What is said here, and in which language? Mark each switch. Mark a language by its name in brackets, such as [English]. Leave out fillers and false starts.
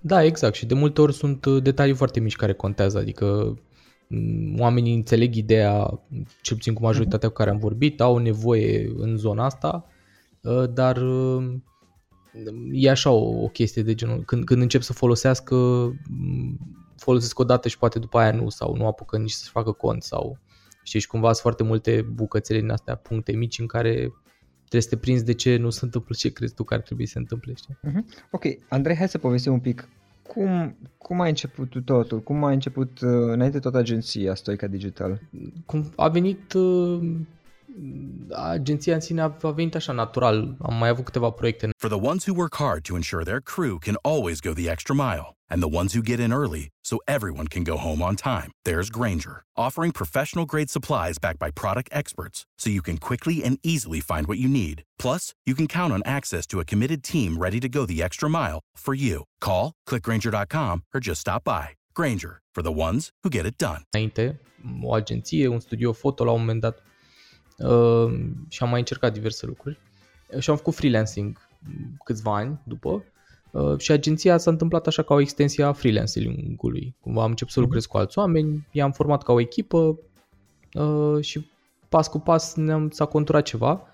[Romanian] Da, exact, și de multe ori sunt detalii foarte mici care contează, adică oamenii înțeleg ideea, cel puțin cu majoritatea cu care am vorbit, au nevoie în zona asta, dar e așa o chestie de genul, când încep să folosesc odată și poate după aia nu, sau nu apucă nici să-și facă cont, sau știi, cumva sunt foarte multe bucățele din astea, puncte mici în care trebuie să te prinzi de ce nu se întâmplă ce crezi tu că ar trebui să se întâmple. Ok, Andrei, hai să povestim un pic. Cum ai început totul? Cum a început înainte toată agenția Stoica Digital? Cum a venit agenția în sine a venit așa natural. Am mai avut câteva proiecte. [English] For the ones who work hard to ensure their crew can always go the extra mile, and the ones who get in early so everyone can go home on time, there's Grainger, offering professional-grade supplies backed by product experts so you can quickly and easily find what you need. Plus, you can count on access to a committed team ready to go the extra mile for you. Call, click Grainger.com, or just stop by. Grainger, for the ones who get it done. [Romanian] Înainte, o agenție, un studio foto la un moment dat, și am mai încercat diverse lucruri și am făcut freelancing câțiva ani după. Și agenția s-a întâmplat așa ca o extensie a freelancing-ului. Cumva am început să lucrez cu alți oameni, i-am format ca o echipă și pas cu pas s-a conturat ceva.